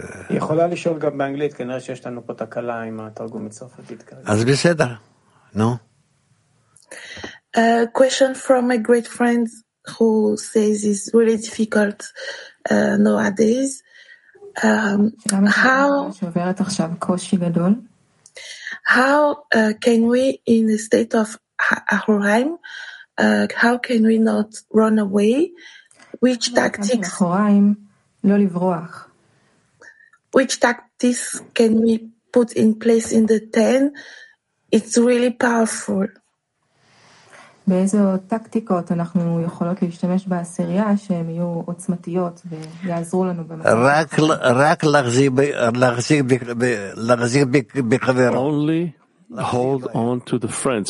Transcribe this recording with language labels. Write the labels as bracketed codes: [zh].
[he] יכולה לשאול גם באנגלית, כנראה שיש לנו פה תקלה עם התרגום מצרפתית. אז בסדר, no. [en] Question from a great friend who says it's really difficult nowadays. How can we, in the state of Ahuraim, how can we not run away? Which tactics can we put in place in the ten? It's really powerful. [he] באיזו טקטיקות אנחנו יכולות להשתמש בעשירייה שהן יהיו עוצמתיות ויעזרו לנו רק להחזיק בחבר. [en] Only hold on to the friends.